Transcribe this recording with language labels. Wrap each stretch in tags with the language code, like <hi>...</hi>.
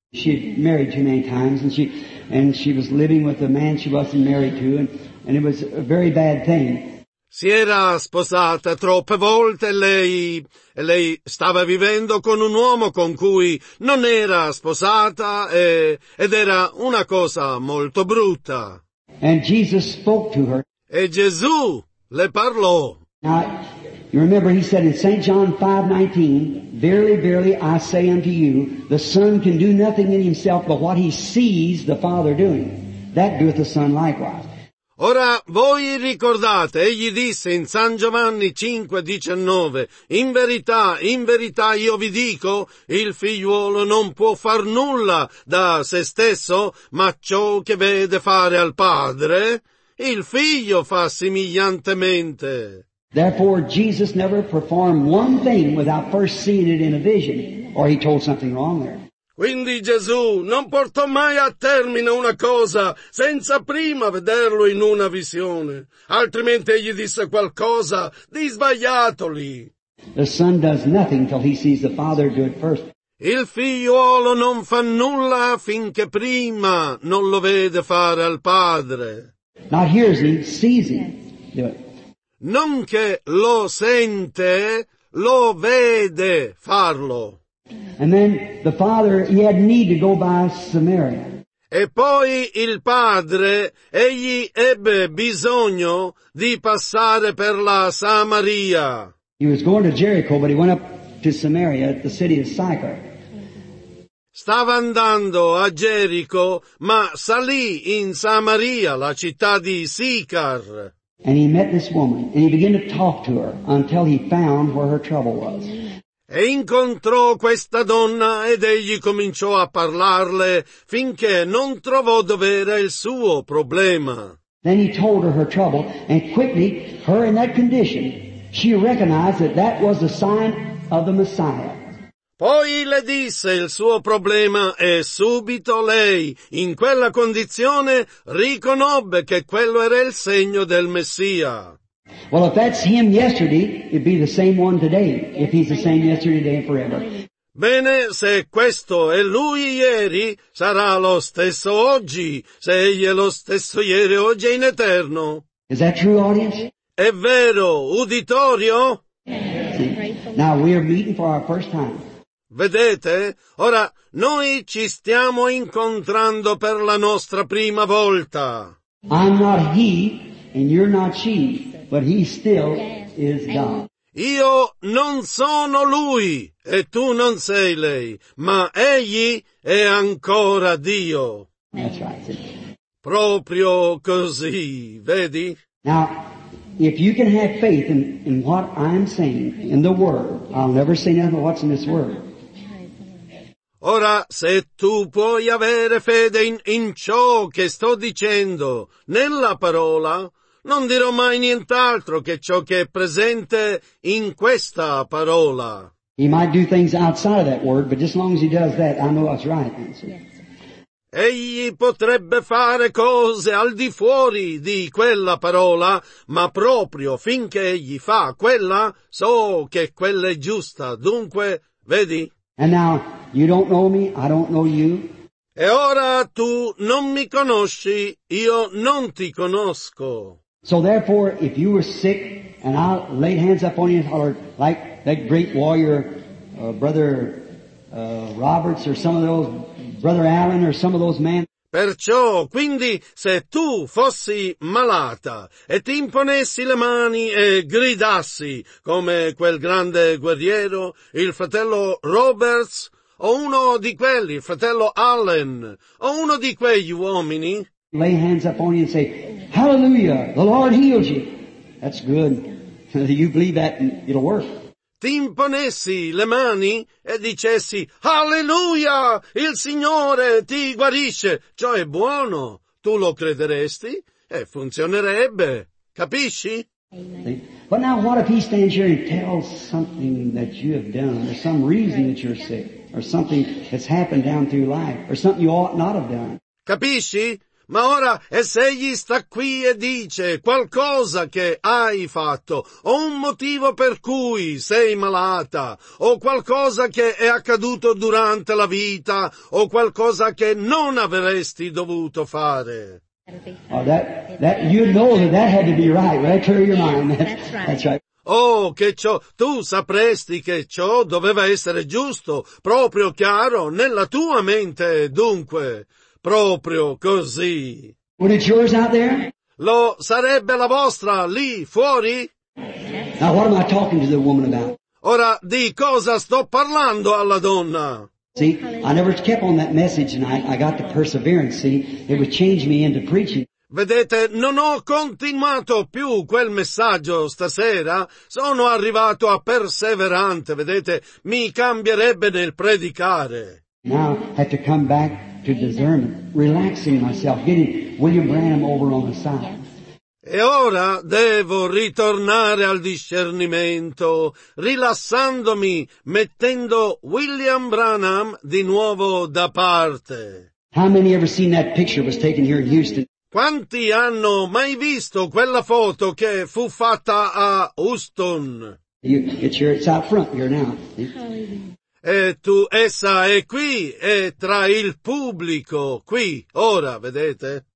<en>She had married too many times, and she was living with a man she wasn't married to, and it was a very bad thing.</en> <it>Si era sposata troppe volte, lei stava vivendo con un uomo con cui non era sposata, ed era una cosa molto brutta.</it> <en>And Jesus spoke to her.</en> <it>E Gesù le parlò.</it> <en>Now, you remember he said in St. John 5:19, verily, verily, I say unto you, the Son can do nothing in himself but what he sees the Father doing. That doeth the Son likewise.</en> <it>Ora, voi ricordate, egli disse in San Giovanni 5:19, in verità io vi dico, il figliuolo non può far nulla da se stesso, ma ciò che vede fare al padre, il figlio fa similiantemente.</it> <en>Therefore Jesus never performed one thing without first seeing it in a vision, or he told something wrong there.</en> <it>Quindi Gesù non portò mai a termine una cosa senza prima vederlo in una visione, altrimenti egli disse qualcosa di sbagliato lì.</it> <en>The son does nothing till he sees the father do it first.</en> <it>Il figliuolo non fa nulla finché prima non lo vede fare al padre.</it> <en>Not hears him, sees him.</en> <it>Non che lo sente, lo vede farlo.</it> <en>And then the father, he had need to go by Samaria.</en> <it>E poi il padre, egli ebbe bisogno di passare per la Samaria.</it> <en>He was going to Jericho, but he went up to Samaria, the city of Sychar.</en> <it>Stava andando a Gerico, ma salì in Samaria, la città di Sicar.</it> <en>And he met this woman, and he began to talk to her until he found where her trouble was.</en> <it>E incontrò questa donna ed egli cominciò a parlarle finché non trovò dove era il suo problema.</it> <en>Then he told her trouble, and quickly, her in that condition, she recognized that that was the sign of the Messiah.</en> <it>Poi le disse il suo problema e subito lei, in quella condizione, riconobbe che quello era il segno del Messia.</it> <en>Well, if that's him yesterday, it'd be the same one today, if he's the same yesterday, today, and forever.</en> <it>Bene, se questo è lui ieri, sarà lo stesso oggi, se egli è lo stesso ieri, oggi è in eterno.</it> <en>Is that true, audience?</en> <it>È vero, uditorio?</it> <en>See, now we are meeting for our first time.</en> <it>Vedete, ora noi ci stiamo incontrando per la nostra prima volta.</it> <en>I'm not he, and you're not she. But he still is God.</en> <it>Io non sono lui e tu non sei lei, ma egli è ancora Dio.</it> <en>That's right.</en> <it>Proprio così, vedi?</it> <en>Now, if you can have faith in what I'm saying, in the Word, I'll never say nothing about what's in this Word.</en> <it>Ora, se tu puoi avere fede in ciò che sto dicendo, nella parola, non dirò mai nient'altro che ciò che è presente in questa parola.</it> <en>He might do things outside of that word, but just as long as he does that, I know that's right. Yes.</en> <it>Egli potrebbe fare cose al di fuori di quella parola, ma proprio finché egli fa quella, so che quella è giusta. Dunque, vedi?</it> <en>And now, you don't know me, I don't know you.</en> <it>E ora tu non mi conosci, io non ti conosco.</it> <en>So therefore, if you were sick, and I laid hands up on you, or like that great warrior, Brother Roberts, or some of those, Brother Allen, or some of those men.</en> <it>Perciò, quindi, se tu fossi malata, e ti imponessi le mani e gridassi, come quel grande guerriero, il fratello Roberts, o uno di quelli, il fratello Allen, o uno di quegli uomini,</it> <en>lay hands up on you and say, Hallelujah, the Lord heals you. That's good. You believe that and it'll work.</en> <it>Ti imponessi le mani e dicessi, Hallelujah, il Signore ti guarisce. Ciò è buono. Tu lo crederesti e funzionerebbe. Capisci?</it> <en>Amen. But now what if he stands here and tells something that you have done, or some reason that you're sick, or something that's happened down through life, or something you ought not have done?</en> <it>Capisci? Ma ora, e se egli sta qui e dice qualcosa che hai fatto, o un motivo per cui sei malata, o qualcosa che è accaduto durante la vita, o qualcosa che non avresti dovuto fare.</it> <en>Oh, that you know that had to be right, right? Clear your mind. That's right.</en> <it>Oh, che ciò, tu sapresti che ciò doveva essere giusto, proprio chiaro, nella tua mente, dunque. Proprio così.</it> <en>Would it yours out there?</en> <it>Lo sarebbe la vostra lì fuori?</it> <en>Now what am I talking to the woman about?</en> <it>Ora di cosa sto parlando alla donna?</it> <en>See, I never kept on that message tonight. I got the perseverance. See, it would change me into preaching.</en> <it>Vedete, non ho continuato più quel messaggio stasera, sono arrivato a perseverante, vedete, mi cambierebbe nel predicare.</it> <en>Now I had to come back to discernment, relaxing myself, getting William Branham over on the side.</en> <it>E ora devo ritornare al discernimento, rilassandomi, mettendo William Branham di nuovo da parte.</it> <en>How many ever seen that picture was taken here in Houston?</en> <it>Quanti hanno mai visto quella foto che fu fatta a Houston?</it> <en>It's out front here now.</en> <it>E tu, essa è qui, è tra il pubblico, qui, ora, vedete?</it>